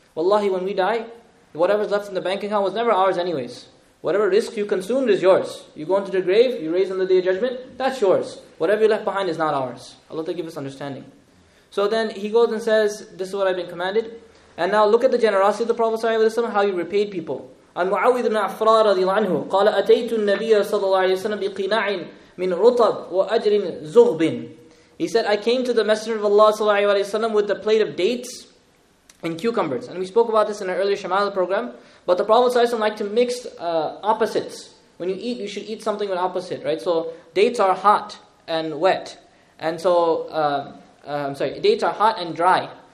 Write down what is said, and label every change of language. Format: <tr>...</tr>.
<en>Wallahi, when we die, whatever's left in the bank account was never ours anyways. Whatever risk you consumed is yours. You go into the grave, you raise on the day of judgment, that's yours. Whatever you left behind is not ours. Allah give us understanding. So then he goes and says, this is what I've been commanded. And now look at the generosity of the Prophet ﷺ, how he repaid people.</en> <ar>And Mu'awid ibn Afra radiallahu anhu, قال أتيت النبي صلى الله عليه وسلم بقناع من رطب وأجر زغب.</ar> <en>He said, I came to the Messenger of Allah ﷺ with a plate of dates and cucumbers. And we spoke about this in our earlier Shema'ala program. But the Prophet ﷺ liked to mix opposites. When you eat, you should eat something with opposite, right? So dates are hot and wet. And so, dates are hot and dry.</en>